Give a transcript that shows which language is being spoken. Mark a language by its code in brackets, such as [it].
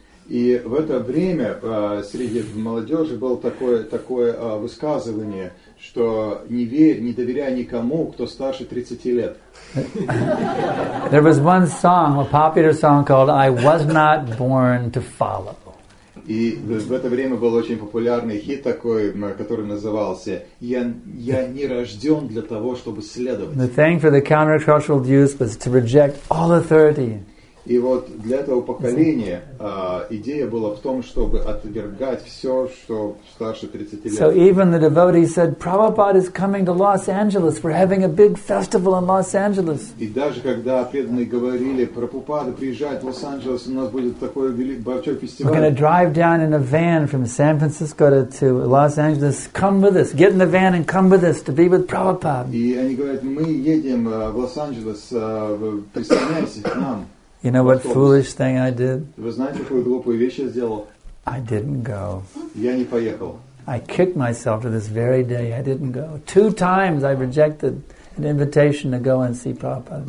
[ru] И в это время среди молодежи было такое высказывание, что не доверяй никому, кто старше 30 лет. [en] There was one song, a popular song called I Was Not Born to Follow. [ru] И в это время был очень популярный хит такой, который назывался «Я не рожден для того, чтобы следовать». [en] The thing for the countercultural youth was to reject all authority. [ru] И вот для этого поколения идея была в том, чтобы отвергать все, что старше 30 лет. [en] So even the devotee said, Prabhupada is coming to Los Angeles. We're having a big festival in Los Angeles. [ru] И даже когда преданные говорили, Прабхупада приезжает в Лос-Анджелес, у нас будет такой большой фестиваль. [en] We're going to drive down in a van from San Francisco to Los Angeles. Come with us. Get in the van and come with us to be with Prabhupada. [ru] И они говорят, мы едем в Лос-Анджелес, присоединяйся к нам. [en] You know what foolish thing I did? [ru] Вы знаете, какую глупую вещь я сделал? [en] I didn't go. [ru] Я не поехал. [en] I kicked myself to this very day. I didn't go. Two times I rejected an invitation to go and see Prabhupada.